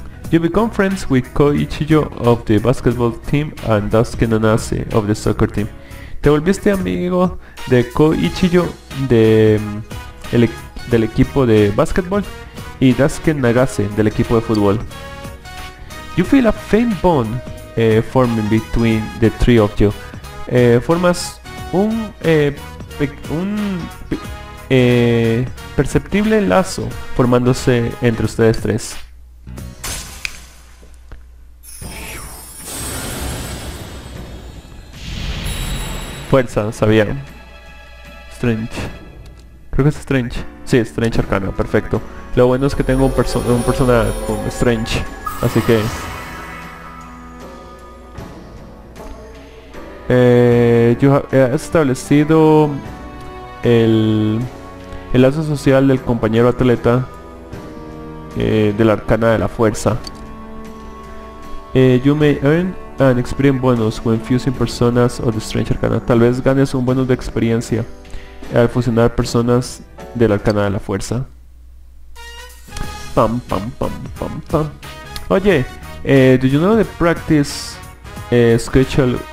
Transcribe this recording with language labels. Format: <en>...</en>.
<en>You become friends with Koichijo of the basketball team and Dasuke Nanase of the soccer team.</en> <es>Te volviste amigo de Koichijo del equipo de basketball y Dasuke Nagase del equipo de fútbol.</es> <en>You feel a faint bond forming between the three of you.</en> <es>Formas un perceptible lazo formándose entre ustedes tres. Fuerza, sabía. Strange. Creo que es Strange. Sí, Strange Arcana, perfecto. Lo bueno es que tengo un persona con Strange. Así que... has establecido el lazo social del compañero atleta de la Arcana de la Fuerza.</es> <en>You may earn an experience bonus when fusing personas o the Strange Arcana.</en> <es>Tal vez ganes un bonus de experiencia al fusionar personas de la Arcana de la Fuerza. Pam, pam, pam, pam, pam. Oye,</es> <en>do you know the practice schedule</en>